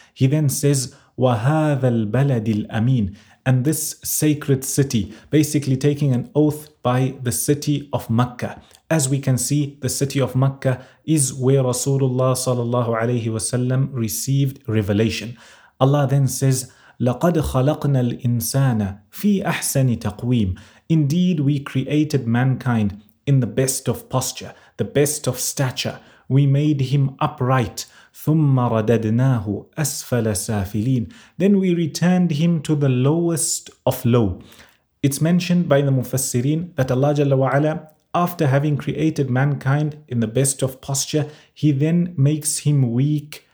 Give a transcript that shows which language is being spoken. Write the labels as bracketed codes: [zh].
[en] He then says, [ar] وَهَذَا الْبَلَدِ الْأَمِينِ, [en] and this sacred city, basically taking an oath by the city of Mecca. As we can see, the city of Mecca is where Rasulullah sallallahu alayhi wasallam received revelation. Allah then says, [ar] لَقَدْ خَلَقْنَا الْإِنسَانَ فِي أَحْسَنِ تَقْوِيمٍ. [en] Indeed, we created mankind in the best of posture, the best of stature. We made him upright. [ar] ثُمَّ رَدَدْنَاهُ أَسْفَلَ سَافِلِينَ. [en] Then we returned him to the lowest of low. It's mentioned by the Mufassirin that Allah Jalla wa Ala, after having created mankind in the best of posture, he then makes him weak.